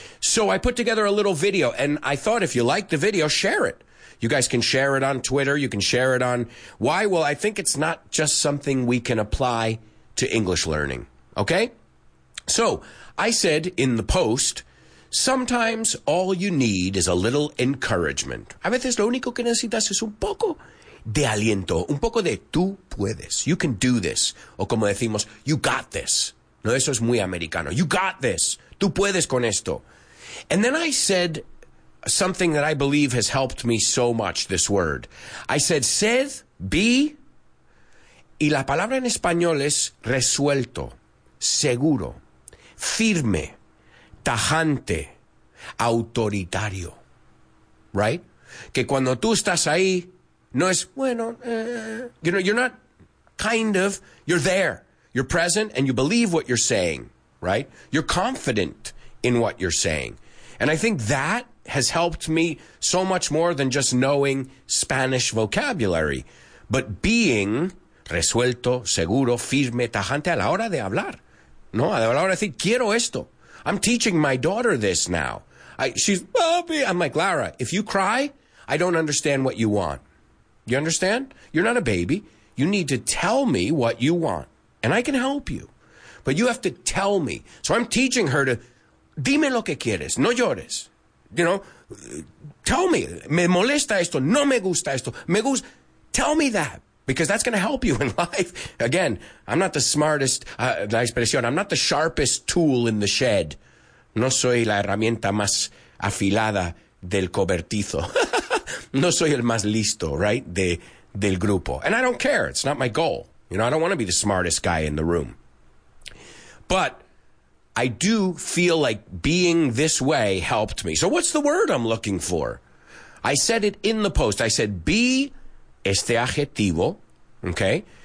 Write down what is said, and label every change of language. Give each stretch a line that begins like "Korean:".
English: So I put together a little video, and I thought if you like the video, share it. You guys can share it on Twitter. You can share it on... Why? Well, I think it's not just something we can apply to English learning, okay? So I said in the post, sometimes all you need is a little encouragement.
Spanish: A veces lo único que necesitas es un poco de aliento, un poco de tú puedes.
English: You can do this.
Spanish: O como decimos,
English: you got this.
Spanish: No, eso es muy americano.
English: You got this.
Spanish: Tú puedes con esto.
English: And then I said something that I believe has helped me so much, this word. I said,
Spanish: sed, be, y la palabra en español es resuelto, seguro, firme, tajante, autoritario.
English: Right?
Spanish: Que cuando tú estás ahí, no es, bueno,
English: you know, you're not kind of, you're there. You're present and you believe what you're saying, right? You're confident in what you're saying. And I think that has helped me so much more than just knowing Spanish vocabulary, but being
Spanish: resuelto, seguro, firme, tajante a la hora de hablar. No, a la hora de decir, quiero esto.
English: I'm teaching my daughter this now. She's, Bobby. I'm like, Lara, if you cry, I don't understand what you want. You understand? You're not a baby. You need to tell me what you want. And I can help you, but you have to tell me. So I'm teaching her to,
Spanish: dime lo que quieres, no llores.
English: You know, tell me,
Spanish: me molesta esto, no me gusta esto, me gusta.
English: Tell me that, because that's going to help you in life. Again, I'm not the smartest,
Spanish: la expresión,
English: I'm not the sharpest tool in the shed.
Spanish: No soy la herramienta más afilada del cobertizo. No soy el más listo, right, del grupo.
English: And I don't care, it's not my goal. You know, I don't want to be the smartest guy in the room. But I do feel like being this way helped me. So what's the word I'm looking for? I said it in the post. I said, be
Spanish: este adjetivo,
English: okay?